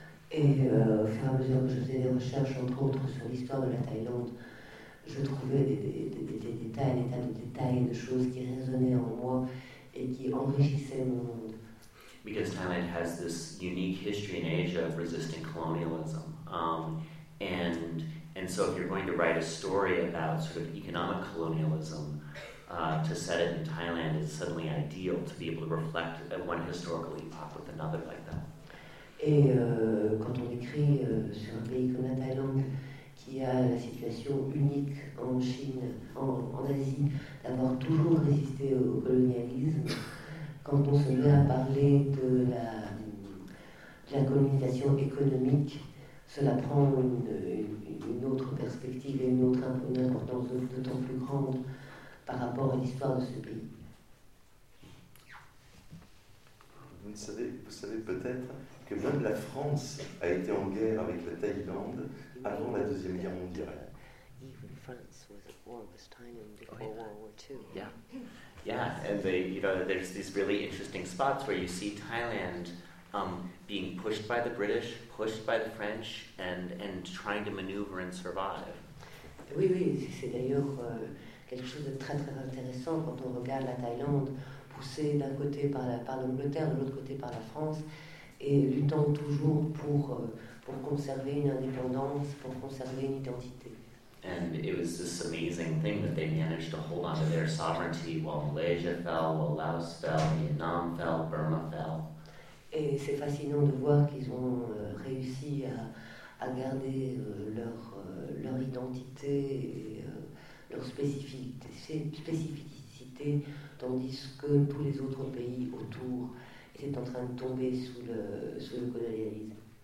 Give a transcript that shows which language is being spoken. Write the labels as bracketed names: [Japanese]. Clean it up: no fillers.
[French] Et au fur et à mesure que je faisais des recherches, entre autres sur l'histoire de la Thaïlande, je trouvais des détails, des tas de détails, de choses qui résonnaient en moi et qui enrichissaient mon monde. [English] Because Thailand has this unique history in Asia of resisting colonialism. And so if you're going to write a story about sort of economic colonialism, to set it in Thailand is suddenly ideal to be able to reflect one historical epoch with another like that. [French] Et quand on écrit sur un pays comme la Thaïlande, qui a la situation unique en Chine, en Asie, d'avoir toujours résisté au colonialisme, quand on se met à parler de la colonisation économique, cela prend une autre perspective et une importance d'autant plus grande par rapport à l'histoire de ce pays. Vous savez peut-être que même la France a été en guerre avec la Thaïlande avant la Deuxième Guerre mondiale. [English] Even France was at war with Thailand before World War II. Yeah, and there's these really interesting spots where you see Thailand being pushed by the British, pushed by the French, and trying to maneuver and survive. [French] Oui, c'est d'ailleurs quelque chose de très très intéressant quand on regarde la Thaïlande poussée d'un côté par l'Angleterre, de l'autre côté par la France, et luttant toujours pour conserver une indépendance, pour conserver une identité. [English] And it was this amazing thing that they managed to hold on to their sovereignty while Malaysia fell, while Laos fell, Vietnam fell, Burma fell. [French] Et c'est fascinant de voir qu'ils ont réussi à garder leur identité et leur spécificité, tandis que tous les autres pays autour est en train de tomber sous le colonialisme.